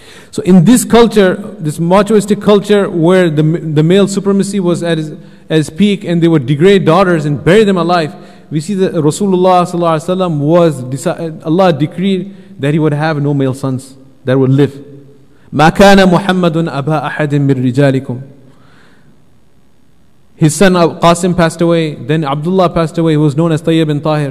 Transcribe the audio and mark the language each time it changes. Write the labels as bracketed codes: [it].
[en] So in this culture, this machoistic culture where the male supremacy was at its peak, and they would degrade daughters and bury them alive, we see that Rasulullah sallallahu alaihi wasallam was Allah decreed that he would have no male sons that would live. [ar] مَا كَانَ مُحَمَّدٌ أَبَا أَحَدٍ مِنْ رِجَالِكُمْ. [en] His son Qasim passed away, then Abdullah passed away, who was known as Tayyib bin Tahir.